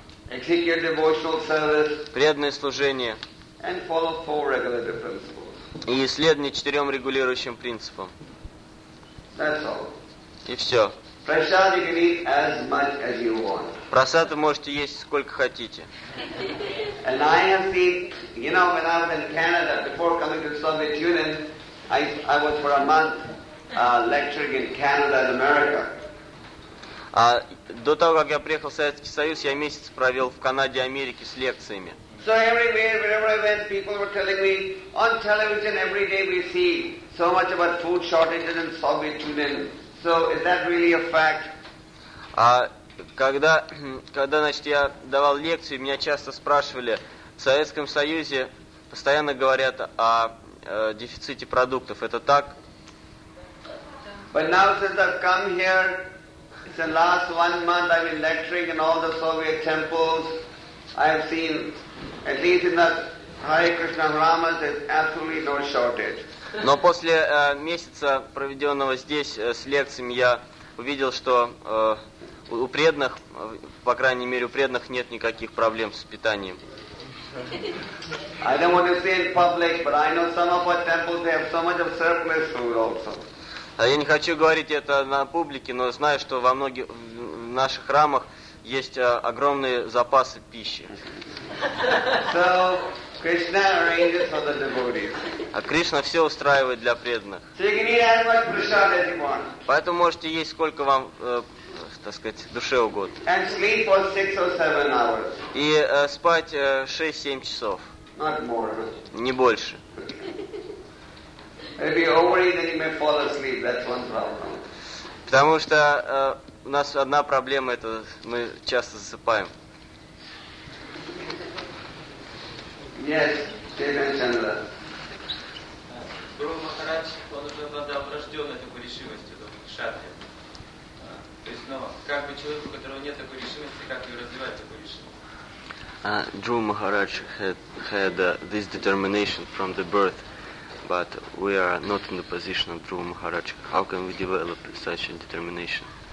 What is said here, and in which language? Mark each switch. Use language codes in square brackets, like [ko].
[en] Execute devotional service. [ru] Преданное служение. [en] And follow four regulative principles. [ru] И исследование четырем регулирующим принципам. [en] That's all. [ru] И все. [en] Prasad you can eat as much as you want. [ru] Прасад вы можете есть сколько хотите. [en] And I have seen, know, when I was in Canada, before coming to Soviet Union, I was for a month lecturing in Canada and America. [ru] До того, как я приехал в Советский Союз, я месяц провел в Канаде и Америке с лекциями. [en] So everywhere, wherever I went, people were telling me, on television every day we see so much about food shortages in Soviet Union. So is that really a fact? [ru] Когда, значит, я давал лекции, меня часто спрашивали, в Советском Союзе постоянно говорят о дефиците продуктов. Это так? [en] But now since I've come here, it's the last one month I've been lecturing in all the Soviet temples. I have seen, at least in the Hare Krishna Ramas, there's absolutely no shortage. [ru] Но после месяца, проведенного здесь с лекциями, я увидел, что у преданных, по крайней мере, у преданных нет никаких проблем с питанием. [en] I don't want to say in public, but I know some of our temples, they have so much of surplus food also. [ru] Я не хочу говорить это на публике, но знаю, что во многих наших храмах есть огромные запасы пищи. [en] So, Krishna arranges for the devotees. [ru] А Кришна все устраивает для преданных. [en] So you can eat as much prasad as you want. [ru] Поэтому можете есть сколько вам, так сказать, душе угодно. [en] And sleep for 6 or 7 hours. [ru] И спать 6-7 часов. [en] Not more. [ru] Не больше. [en] Maybe overeat, then you may fall asleep. That's one problem. [ru] Потому что у нас одна проблема, это мы часто засыпаем. [en] Yes, Chaitanya Chandra. [ru] Гуру Махарадж, он уже обладал врожденной такой решимостью, такой кшатрия. То есть, как бы человеку, у которого нет такой решимости, как ее развивать, такую решимость? [en] Dhru Maharaj had this determination from the birth, but we are not in the position of Dhru Maharaj. How can we develop such a determination?